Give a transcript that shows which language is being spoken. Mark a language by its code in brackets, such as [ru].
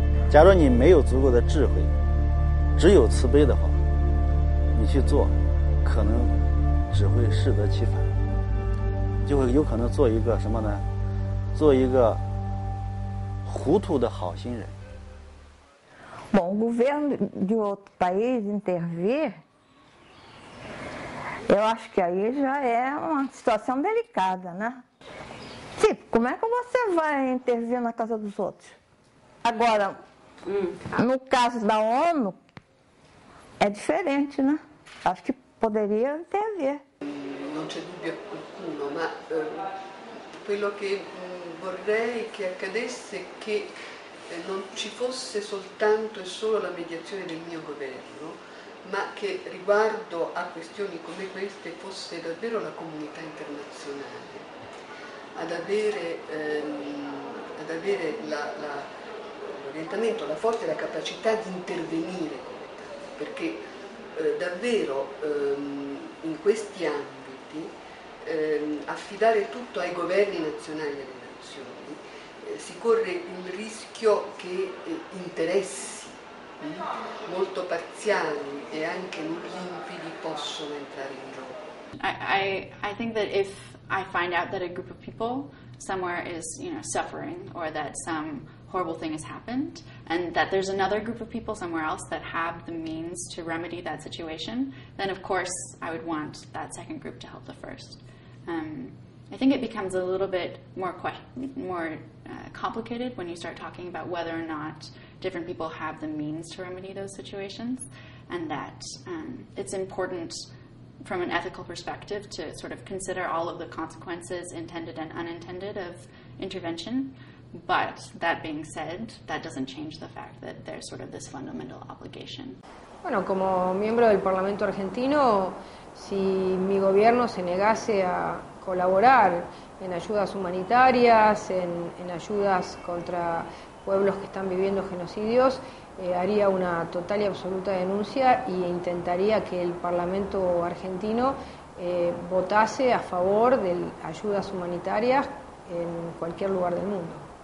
[zh] 假如你没有足够的智慧，只有慈悲的话，你去做，可能只会适得其反，就会有可能做一个什么呢？做一个糊涂的好心人。 [pt] Bom, o governo de outro país intervir, eu acho que aí já é uma situação delicada, né? Sim, como é que você vai intervir na casa dos outros? Agora, no caso da ONU, é diferente, né? Acho que poderia intervir. [it] Não c'è dubbio alcuno, ma quello che vorrei che accadesse è che non ci fosse soltanto e solo la mediazione del mio governo, ma che riguardo a questioni come queste fosse davvero la comunità internazionale ad avere l'orientamento, la forza e la capacità di intervenire, perché davvero in questi ambiti affidare tutto ai governi nazionali e alle nazioni si corre il rischio che interessi molto parziali e anche non limpidi possono entrare in gioco. [en] I think that if I find out that a group of people somewhere is, you know, suffering, or that some horrible thing has happened, and that there's another group of people somewhere else that have the means to remedy that situation, then of course I would want that second group to help the first. I think it becomes a little bit more complicated when you start talking about whether or not different people have the means to remedy those situations, and that it's important from an ethical perspective, to sort of consider all of the consequences, intended and unintended, of intervention. But that being said, that doesn't change the fact that there's sort of this fundamental obligation. [es] Bueno, como miembro del Parlamento argentino, si mi gobierno se negase a colaborar en ayudas humanitarias, en ayudas contra pueblos que están viviendo genocidios, haría una total y absoluta denuncia e intentaría que el Parlamento argentino votase a favor de ayudas humanitarias en cualquier lugar del mundo.